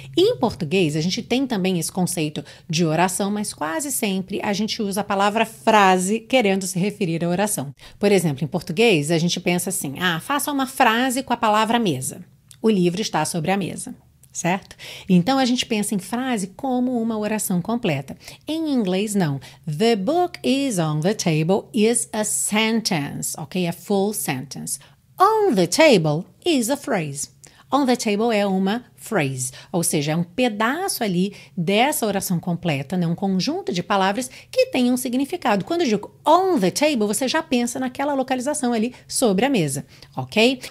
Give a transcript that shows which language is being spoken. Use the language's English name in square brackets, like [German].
[Portuguese] Em português, a gente tem também esse conceito de oração, mas quase sempre a gente usa a palavra frase querendo se referir à oração. Por exemplo, em português, a gente pensa assim, ah, faça uma frase com a palavra mesa. O livro está sobre a mesa. Certo? Então, a gente pensa em frase como uma oração completa. Em inglês, não. [English] The book is on the table is a sentence, ok? A full sentence. On the table is a phrase. On the table [Portuguese] é uma phrase, ou seja, é um pedaço ali dessa oração completa, né? Um conjunto de palavras que tem um significado. Quando eu digo [English] on the table, [Portuguese] você já pensa naquela localização ali sobre a mesa, ok?